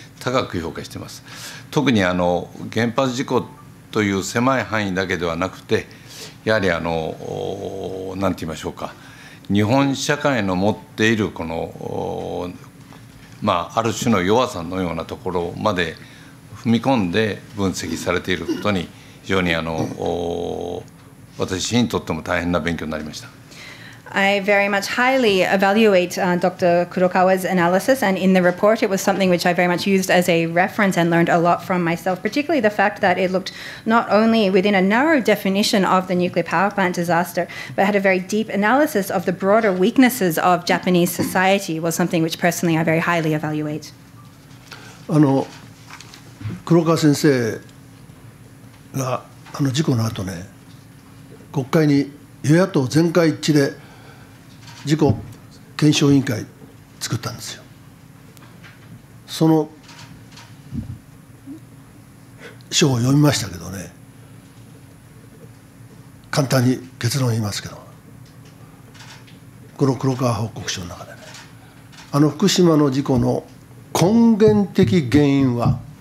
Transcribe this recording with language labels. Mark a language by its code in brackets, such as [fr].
[ja] 高く評価しています。特にあの原発事故という狭い範囲だけではなくて、やはりあの何て言いましょうか、日本社会の持っているこの、まあ、ある種の弱さのようなところまで踏み込んで分析されていることに非常にあの私にとっても大変な勉強になりました。 [en] I very much highly evaluate Dr. Kurokawa's analysis, and in the report, it was something which I very much used as a reference and learned a lot from myself, particularly the fact that it looked not only within a narrow definition of the nuclear power plant disaster, but had a very deep analysis of the broader weaknesses of Japanese society was something which personally I very highly evaluate. [ja] あの、Kurokawa 先生があの事故の後ね、国会に与野党全会一致で事故検証委員会作ったんですよ。その書を読みましたけどね、簡単に結論言いますけど、この黒川報告書の中でね、あの福島の事故の根源的原因は